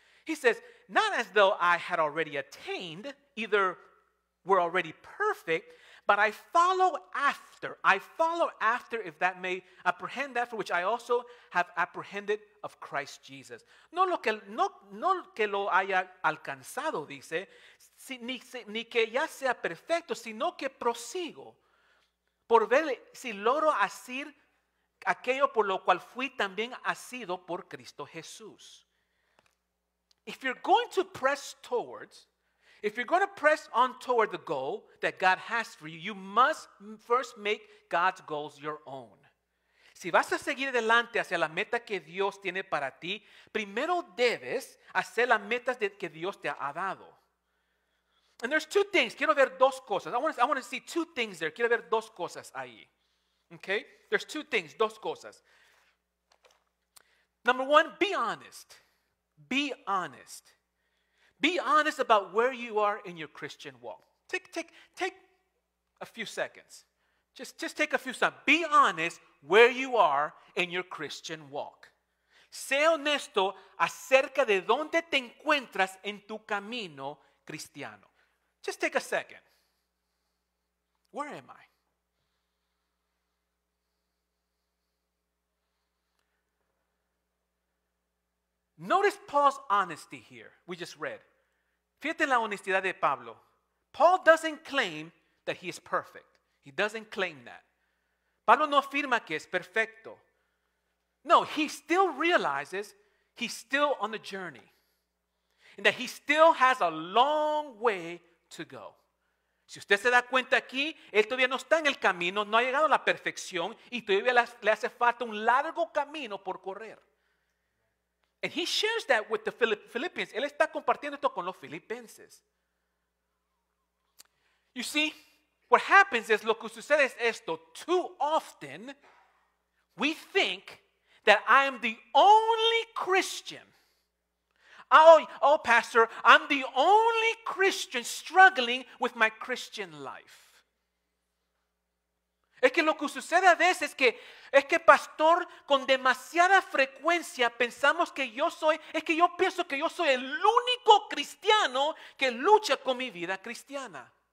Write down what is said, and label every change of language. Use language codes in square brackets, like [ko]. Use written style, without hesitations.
[en] He says, not as though I had already attained, either were already perfect, but I follow after, if that may apprehend that for which I also have apprehended of Christ Jesus. [es] No que lo haya alcanzado, dice, ni que ya sea perfecto, sino que prosigo, por ver si logro asir aquello por lo cual fui también asido por Cristo Jesús. [en] If you're going to press towards, if you're going to press on toward the goal that God has for you, you must first make God's goals your own. [es] Si vas a seguir adelante hacia la meta que Dios tiene para ti, primero debes hacer las metas que Dios te ha dado. [en] And there's 2 things. [es] Quiero ver 2 cosas. [en] I want to see 2 things there. [es] Quiero ver 2 cosas ahí. [en] Okay? There's 2 things, [es] 2 cosas. [en] Number one, be honest. Be honest. Be honest about where you are in your Christian walk. Take a few seconds. Just take a few seconds. Be honest where you are in your Christian walk. [es] Sé honesto acerca de dónde te encuentras en tu camino cristiano. [en] Just take a second. Where am I? Notice Paul's honesty here. We just read. [es] Fíjate la honestidad de Pablo. [en] Paul doesn't claim that he is perfect. He doesn't claim that. [es] Pablo no afirma que es perfecto. [en] No, he still realizes he's still on the journey. And that he still has a long way to go. [es] Si usted se da cuenta aquí, él todavía no está en el camino, no ha llegado a la perfección, y todavía le hace falta un largo camino por correr. [en] And he shares that with the Philippians. [es] Él está compartiendo esto con los filipenses. [en] You see, what happens is, [es] lo que sucede es esto. [en] Too often, we think that I am the only Christian. Oh, pastor, I'm the only Christian struggling with my Christian life. [es] Es que lo que sucede a veces es que pastor, con demasiada frecuencia pensamos que yo pienso que yo soy el único cristiano que lucha con mi vida cristiana.